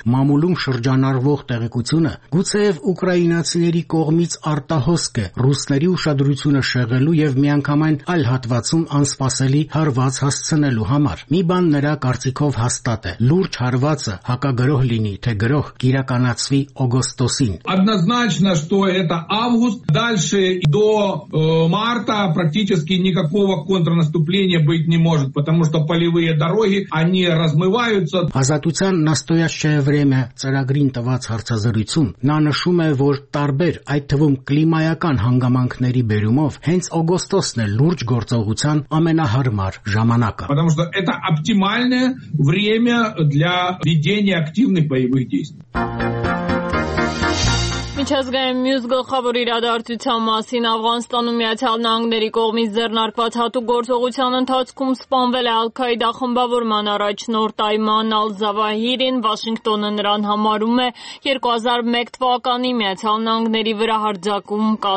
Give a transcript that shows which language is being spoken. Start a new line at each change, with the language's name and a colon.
Armenian: մամուլում շրջանառվող տեղեկությունը գուցեև ուկրաինացիների կողմից արտահոսք է ռուսների ուշադրությունը շեղելու և միանգամայն այլ հատվածում անսպասելի հարված հասցնելու համար։ Մի բան նրա կարծիքով հաստատ է. լուրջ հարվածը հակագրոհ լինի, թե գրոհ կիրականացվի օգոստոսին։
Russian: Однозначно, что это август, дальше до марта практически никакого контрнаступления быть не может, потому что полевые дороги, они размываются.
Armenian: Ազատության նաստոյացիա վրեմը ծրագրին տված հարցազրույցում նա նշում է, որ տարբեր, այդ թվում կլիմայական հանգամանքների բերումով հենց օգոստոսն է լուրջ գործողության ամենահարմար ժամանակը։
Russian: Потому что это оптимальное время для ведения активных боевых действий.
Armenian: Միջազգային մյուս գլխավոր իրադարձության մասին Աֆղանստանում Միացյալ Նահանգների կողմից ձեռնարկված հատուկ գործողության ընթացքում սպանվել է Ալ-Քաիդա խմբավորման առաջնորդ Այման Ալ-Զավահիրին։ Վաշինգտոնը նրան համարում է 2001 թվականի Միացյալ Նահանգների վրա հարձակման